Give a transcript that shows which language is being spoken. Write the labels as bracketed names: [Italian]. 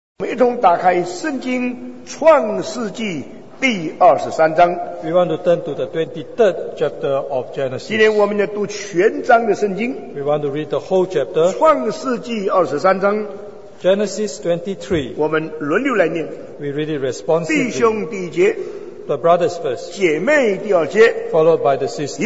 [Chinese] 一同打开圣经创世纪第23章。 [English] We want to turn to the 23rd chapter of Genesis. [Chinese] 今天我们要读全章的圣经。 [English] We want to read the whole chapter. [Chinese] 创世纪23章。 [English] Genesis 23. [Chinese] 我们轮流来念。 [English] We read it responsively. [Chinese] 弟兄第一节。 [English] The brothers first. [Chinese] 姐妹第二节。 [English] Followed by the sisters.